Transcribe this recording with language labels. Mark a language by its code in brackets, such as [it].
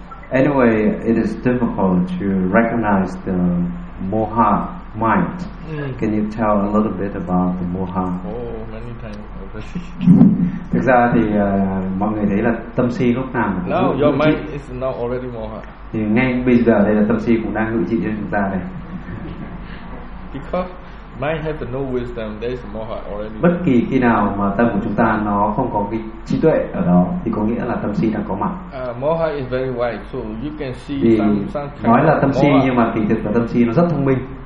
[en] Anyway, it is difficult to recognize the moha mind. Can you tell a little bit about the moha? Many times. [vi] Thực ra thì mọi người thấy là tâm si lúc nào. [en] No, your mind is not already moha. [vi] Thì ngay bây giờ đây là tâm si cũng đang ngự trị trên chúng ta đây. [en] Because mind has no wisdom, there is moha already. [vi] Bất kỳ khi nào mà tâm của chúng ta nó không có cái trí tuệ ở đó thì có nghĩa là tâm si đang có mặt. [en] Moha is very wise, so you can see some [vi] nói là tâm si nhưng mà kỳ thực là tâm si nó rất thông minh.